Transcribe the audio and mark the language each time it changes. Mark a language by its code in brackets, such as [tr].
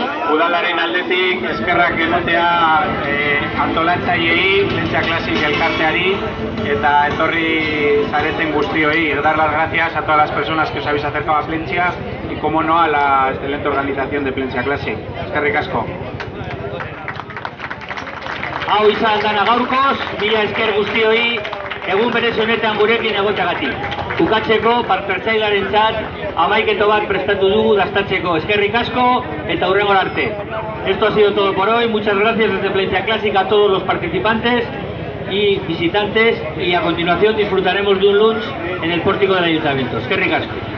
[eu] Udalaren aldetik eskerrak ematea antolatzaileei, Lentxa Klasik elkarteari eta etorri zareten guztioi. [es] Dar las gracias a todas las personas que os habéis acercado a Plentxia y como no a la excelente organización de Plentxia Klasik. [eu] Eskerrik asko. Hau izan dana gaurkoz, mila esker guztioi, egun berezionetan gurekin egotagatik. Bukatzeko, partertzailaren txat, amaiketo bat prestatu dugu dastatzeko. Eskerrik asko, eta hurrengo arte. [es] Esto ha sido todo por hoy. Muchas gracias desde Plentxia Klasik a todos los participantes y visitantes. Y a continuación disfrutaremos de un lunch en el pórtico del Ayuntamiento. [eu] Eskerrik asko.